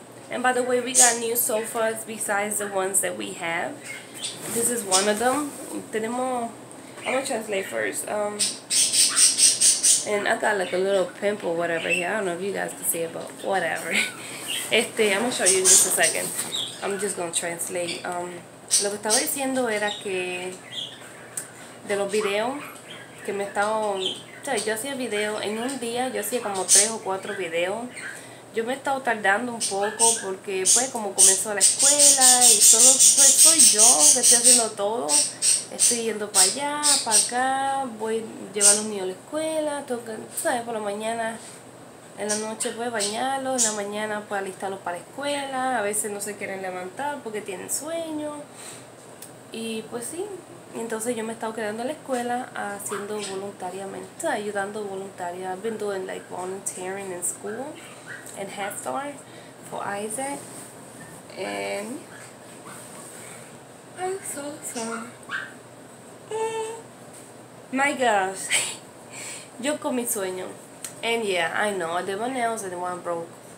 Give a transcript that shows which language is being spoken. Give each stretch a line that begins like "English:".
English: And by the way, we got new sofas besides the ones that we have. This is one of them. Tenemos, I'm going to translate first. And I got like a little pimple, whatever, here. I don't know if you guys can see it, but whatever. I'm going to show you in just a second. I'm just going to translate.
Spanish: Lo que estaba diciendo era que de los videos que me estaban... O sea, yo hacía videos en un día, yo hacía como 3 o 4 videos. Yo me he estado tardando un poco porque pues como comenzó la escuela y solo pues, soy yo que estoy haciendo todo. Estoy yendo para allá, para acá, voy llevando a los niños a la escuela, tengo que, ¿sabes? Por la mañana, en la noche pues bañarlos, en la mañana pues alistarlos para la escuela, a veces no se quieren levantar porque tienen sueño. Y pues sí, entonces yo me he estado quedando en la escuela haciendo voluntariamente, ayudando voluntaria.
English: I've been doing like volunteering in school and Head Start for Isaac. And I'm so sorry. My gosh. Yo con mi sueño. And yeah, I know, I did my nails and then I broke.